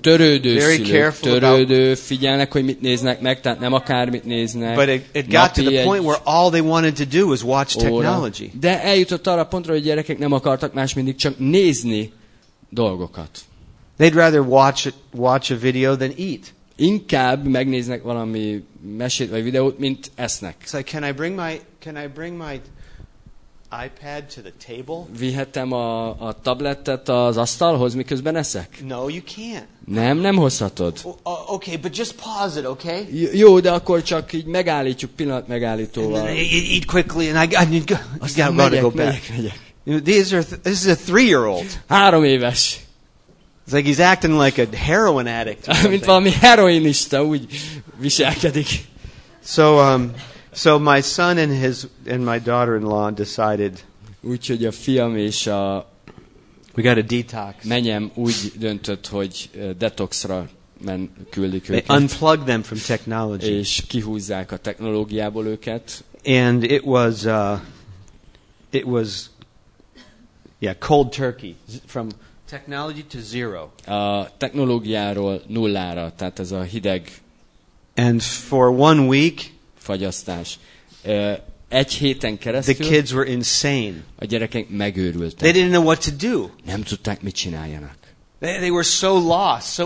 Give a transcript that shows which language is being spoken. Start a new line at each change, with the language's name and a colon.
Hungarian: Törődő szülők, törődő, figyelnek, hogy mit néznek meg, tehát nem akármit néznek.
English: But it got to the point where all they wanted to do was watch technology.
Hungarian: De eljutott arra pontra, hogy a gyerekek nem akartak más, mindig csak nézni dolgokat.
English: They'd rather watch a video than eat.
Hungarian: Inkább megnéznek valami mesét vagy videót, mint esznek.
English: So can I bring my iPad to the table?
Hungarian: Vihetem a tablettet az asztalhoz, miközben eszek?
English: No, you can't.
Hungarian: Nem hozhatod.
English: Okay, but just pause it, okay?
Hungarian: Jó, de akkor csak így megállítjuk pillanat megállítóval.
English: Eat quickly and I got to go back. This is a 3-year-old.
Hungarian: 3 éves.
English: It's like he's acting like a heroin addict. I mean,
Hungarian: valami heroinista úgy viselkedik.
English: So my son and my daughter-in-law decided.
Hungarian: Úgyhogy a fiam és a
English: we got a detox.
Hungarian: Menyem úgy döntött, hogy detoxra küldik őket.
English: They unplug them from technology.
Hungarian: És kihúzzák a technológiából őket.
English: And it was cold turkey from technology to zero.
Hungarian: A technológiáról nullára, tehát ez a hideg.
English: And for 1 week.
Hungarian: Fagyasztás. Egy héten keresztül.
English: The kids were insane.
Hungarian: A gyerekek megőrültek.
English: They didn't know what to do.
Hungarian: Nem tudták, mit csináljanak.
English: They were so lost, so